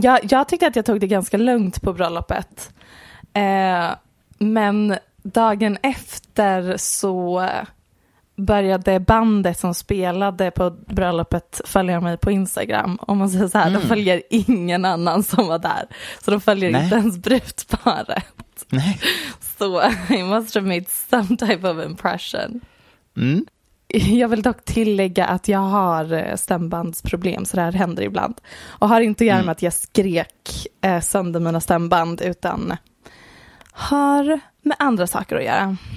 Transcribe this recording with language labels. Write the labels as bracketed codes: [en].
[sv] Jag tyckte att jag tog det ganska lugnt på bröllopet. Men dagen efter så började bandet som spelade på bröllopet följa mig på Instagram. Om man säger så här, De följer ingen annan som var där. Så de följer Nej. Inte ens brudparet. Så [en] I must have made some type of impression. [sv] Jag vill dock tillägga att jag har stämbandsproblem, så det här händer ibland. Och har inte att göra med att jag skrek sönder mina stämband, utan har med andra saker att göra.